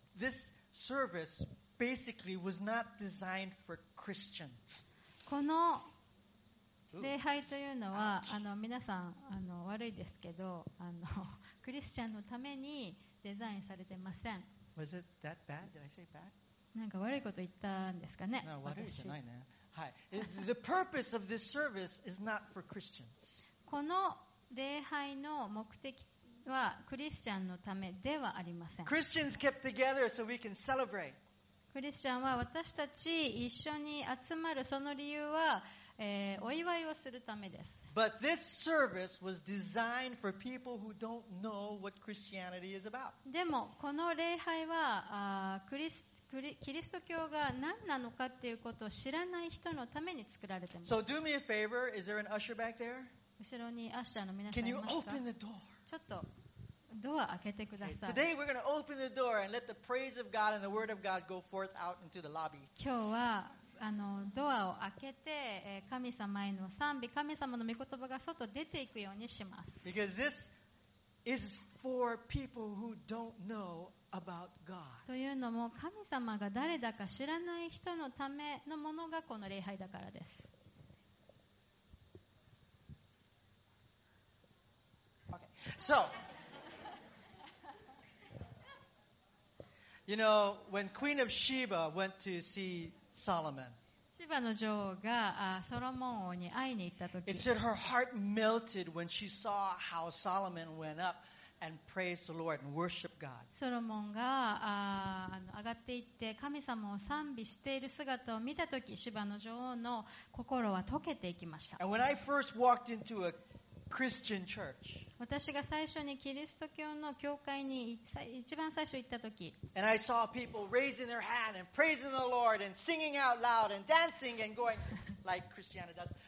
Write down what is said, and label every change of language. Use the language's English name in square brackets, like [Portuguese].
[English] This service basically was not designed for Christians. [Japanese] この礼拝というのは皆さん悪いですけどクリスチャンのためにデザインされてません。 [English] Was it that bad? Did I say bad? [Japanese] なんか悪いこと言ったんですかね。 No, 悪いじゃないね。はい。 [English] The purpose of this service is not for Christians. [Japanese] この礼拝の目的はクリスチャンのためではありません。 [English] Christians kept together so we can celebrate. [Japanese] クリスチャンは私たち一緒に集まるその理由は、お祝いをするためです。 [English] But this service was designed for people who don't know what Christianity is about. [Japanese] でもこの礼拝はキリスト教が何なのかということを知らない人のために作られています。 [English] So do me a favor. Is there an usher back there? [Japanese] 後ろにアッシャーの皆さんいますか? [English] Can you open the door? [Japanese] ちょっとドア開けてください。 [English] Okay, today we're going to open the door and let the praise of God and the word of God go forth out into the lobby. [Japanese] 今日はドアを開けて神様への賛美、神様の御言葉が外出ていくようにします。 [English] Because this is for people who don't know about God. [Japanese] というのも神様が誰だか知らない人のためのものがこの礼拝だからです。 [English] So, you know, when Queen of Sheba went to see Solomon, [Japanese] シバの女王がソロモン王に会いに行った時、 [English] it said her heart melted when she saw how Solomon went up and praised the Lord and worshiped God. [Japanese] ソロモンが上がっていって神様を賛美している姿を見た時、シバの女王の心は溶けていきました。 [English] And when I first walked into a Christian church. [Japanese] 私が最初にキリスト教の教会に一番最初行った時、 [English] And I saw people raising their hand and praising the Lord and singing out loud and dancing and going like Christiana does.